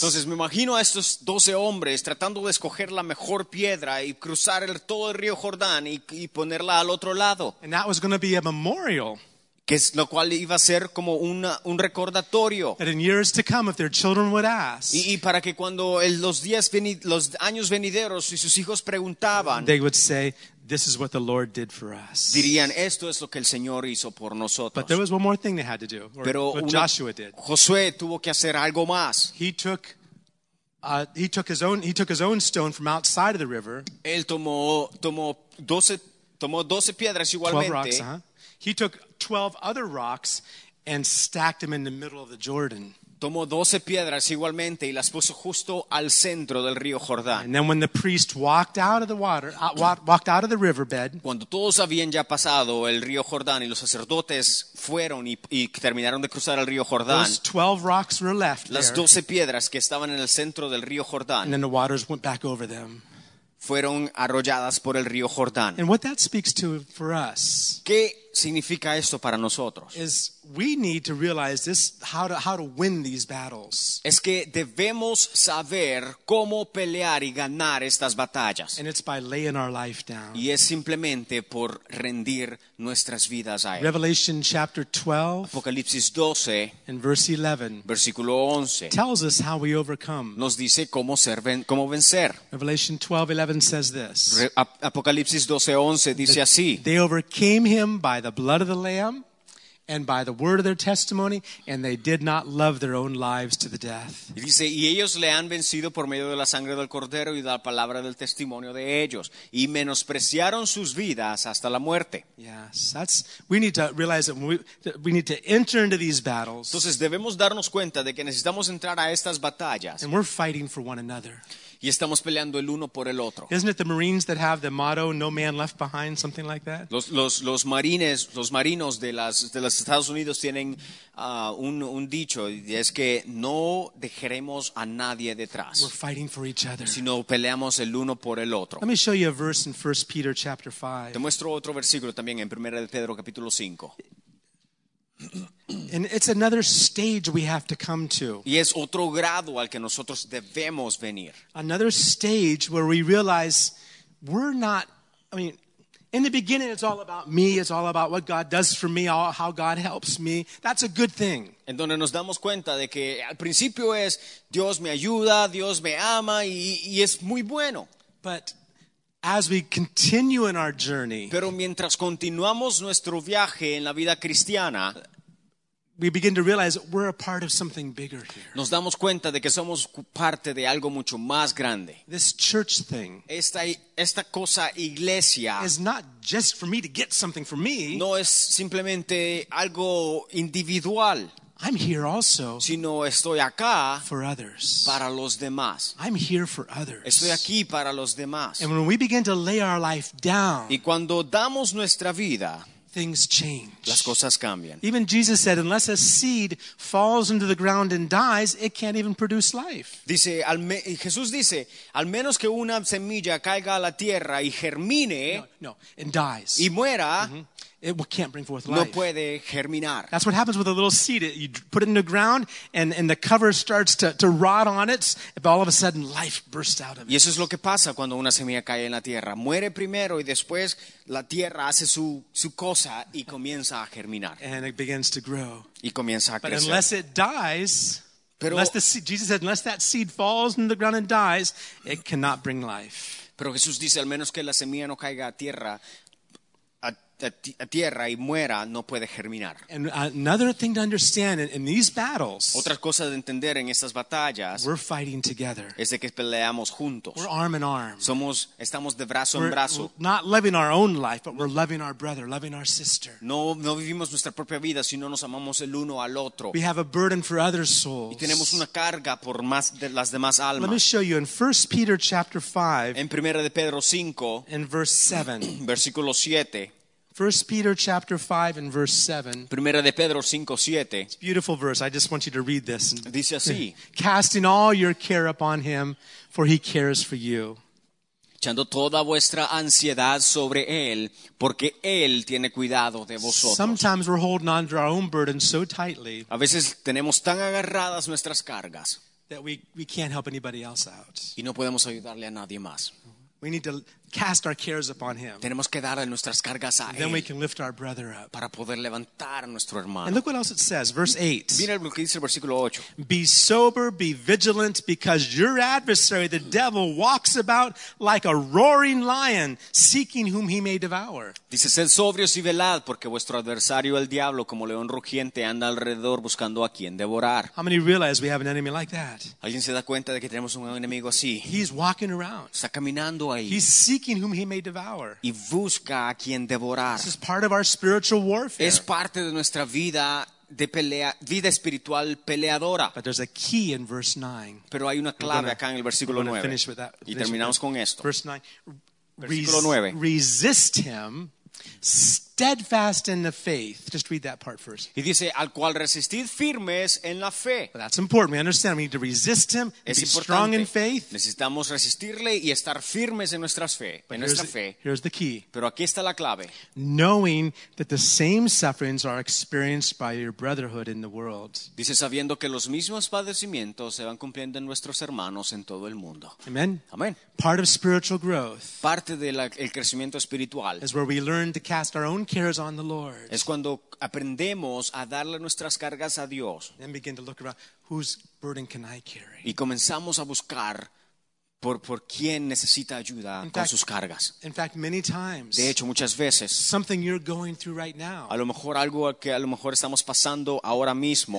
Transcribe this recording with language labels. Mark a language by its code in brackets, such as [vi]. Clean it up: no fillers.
[es] Entonces me imagino a estos 12 hombres tratando de escoger la mejor piedra y cruzar todo el río Jordán y ponerla al otro lado. [en] And that was going to be a memorial. [es] Que es lo cual iba a ser como un recordatorio. [en] That in years to come, if their children would ask, [es] y para que cuando los años venideros y sus hijos preguntaban, [en] they would say, this is what the Lord did for us. [es] Dirían, esto es lo que el Señor hizo por nosotros. [en] But there was one more thing they had to do, Joshua did. [es] Josué tuvo que hacer algo más. [en] He took his own stone from outside of the river. [es] Él tomó doce piedras igualmente. [en] 12 rocks, He took 12 other rocks and stacked them in the middle of the Jordan. [es] Tomó 12 piedras igualmente y las puso justo al centro del río Jordán. [en] And then when the priest walked out of the water, walked out of the riverbed, [es] cuando todos habían ya pasado el río Jordán y los sacerdotes fueron y terminaron de cruzar el río Jordán, [en] those 12 rocks were left there. [es] Las 12 piedras que estaban en el centro del río Jordán. [en] And then the waters went back over them. [es] Fueron arrolladas por el río Jordán. [en] And what that speaks to for us, [es] ¿qué significa esto para nosotros? [en] Is we need to realize this, how to win these battles. [es] Es que debemos saber cómo pelear y ganar estas batallas. [en] And it's by laying our life down. [es] Y es simplemente por rendir nuestras vidas a él. [en] Revelation chapter 12, [es] Apocalipsis 12, [en] and verse 11, [es] versículo 11, [en] tells us how we overcome. [es] Nos dice cómo vencer. [en] Revelation 12:11 says this. [es] Apocalipsis 12:11 dice así. [en] They overcame him by the blood of the Lamb and by the word of their testimony, and they did not love their own lives to the death. [es] Y dice, y ellos le han vencido por medio de la sangre del cordero y de la palabra del testimonio de ellos, y menospreciaron sus vidas hasta la muerte. [en] Yes, that's, we need to realize that we need to enter into these battles. [es] Entonces debemos darnos cuenta de que necesitamos entrar a estas batallas. [en] And we're fighting for one another. [es] Y estamos peleando el uno por el otro. [en] Isn't it the Marines that have the motto "No man left behind"? Something like that. [es] Los marinos de los Estados Unidos tienen un dicho y es que no dejaremos a nadie detrás. [en] We're fighting for each other. [es] Sino peleamos el uno por el otro. [en] Let me show you a verse in 1 Peter chapter 5. [es] Te muestro otro versículo también en 1 de Pedro capítulo 5. [en] And it's another stage we have to come to. [es] Y es otro grado al que nosotros debemos venir. [en] Another stage where we realize we're not, I mean, in the beginning it's all about me, it's all about what God does for me, how God helps me. That's a good thing. [es] En donde nos damos cuenta de que al principio es Dios me ayuda, Dios me ama y es muy bueno. [en] But as we continue in our journey, [es] pero mientras continuamos nuestro viaje en la vida cristiana, [en] we begin to realize we're a part of something bigger here. [es] Nos damos cuenta de que somos parte de algo mucho más grande. [en] This church thing, [es] esta cosa iglesia, [en] is not just for me to get something for me. [es] No es simplemente algo individual. [en] I'm here also, [es] sino estoy acá [en] for others. [es] Para los demás. [en] I'm here for others. [es] Estoy aquí para los demás. [en] And when we begin to lay our life down, [es] y cuando damos nuestra vida, [en] things change. [es] Las cosas cambian. [en] Even Jesus said, unless a seed falls into the ground and dies, it can't even produce life. [es] Dice, Jesús dice, al menos que una semilla caiga a la tierra y germine. [en] No, and dies. [es] Y muera. [en] It can't bring forth life. [es] No puede germinar. [en] That's what happens with a little seed. You put it in the ground, and the cover starts to rot on it. But all of a sudden, life bursts out of it. [es] Y eso es lo que pasa cuando una semilla cae en la tierra. Muere primero, y después la tierra hace su cosa y comienza a germinar. [en] And it begins to grow. [es] Y comienza a [en] but [es] crecer. [en] But unless it dies, Jesus said, unless that seed falls in the ground and dies, it cannot bring life. [es] Pero Jesús dice, al menos que la semilla no caiga a tierra. A tierra y muera, no puede germinar. [en] And another thing to understand in these battles, [es] otra cosa de entender en estas batallas, [en] we're fighting together. [es] Es de que peleamos juntos. [en] We're arm in arm. [es] Estamos de brazo en brazo. [en] We're not loving our own life, but we're loving our brother, loving our sister. [es] No vivimos nuestra propia vida, sino nos amamos el uno al otro. [en] We have a burden for other souls. [es] Y tenemos una carga por más de las demás almas. [en] Let me show you in 1 Peter chapter 5, [es] en Primera de Pedro 5, [en] in verse 7, [es] versículo 7. [en] 1 Peter chapter 5 and verse 7. [es] Primera de Pedro 5, 7. [en] It's a beautiful verse. I just want you to read this. [es] Dice así. [en] Casting all your care upon him, for he cares for you. [es] Echando toda vuestra ansiedad sobre él, porque él tiene cuidado de vosotros. [en] Sometimes we're holding on to our own burden so tightly. [es] A veces tenemos tan agarradas nuestras cargas. [en] That we can't help anybody else out. [es] Y no podemos ayudarle a nadie más. [en] We need to cast our cares upon him. [es] Tenemos que darle nuestras cargas a él. [en] Then we can lift our brother up. [es] Para poder levantar a nuestro hermano. [en] And look what else it says, verse 8. [es] Mira lo que dice el versículo 8. [en] Be sober, be vigilant, because your adversary, the devil, walks about like a roaring lion, seeking whom he may devour. [es] Dice, sed sobrios y velad, porque vuestro adversario, el diablo, como león rugiente, anda alrededor buscando a quien devorar. [en] How many realize we have an enemy like that? [es] ¿Alguien se da cuenta de que tenemos un enemigo así? [en] He's walking around. [es] Está caminando ahí. [en] He's seeking whom he may devour. [es] Y busca a quien devorar. [en] This is part of our spiritual warfare. [es] Es parte de nuestra vida de pelea, vida espiritual peleadora. [en] But there's a key in verse 9. [es] Pero hay una clave acá en el versículo 9. [en] Finish with that. [es] Y terminamos con esto. [en] Verse 9. [es] Versículo 9. [en] Resist him steadfast in the faith. Just read that part first. [es] Y dice, al cual resistid firmes en la fe. [en] Well, that's important. We understand. We need to resist him. [es] Es [en] be strong in faith. [es] Necesitamos resistirle y estar firmes en nuestras fe. [en] But [es] en nuestra fe. [en] Here's the key. [es] Pero aquí está la clave. [en] Knowing that the same sufferings are experienced by your brotherhood in the world. [es] Dice, sabiendo que los mismos padecimientos se van cumpliendo en nuestros hermanos en todo el mundo. [en] Amen. [es] Amen. [en] Part of spiritual growth. [es] Parte de el crecimiento espiritual. [en] Is where we learn to cast our own cares on the Lord. [es] Es cuando aprendemos a darle nuestras cargas a Dios. [en] And begin to look around, whose burden can I carry? [es] Y comenzamos a buscar por quién necesita ayuda con sus cargas. [en] In fact, many times, [es] de hecho, muchas veces, [en] something you're going through right now, [es] a lo mejor algo que a lo mejor estamos pasando ahora mismo,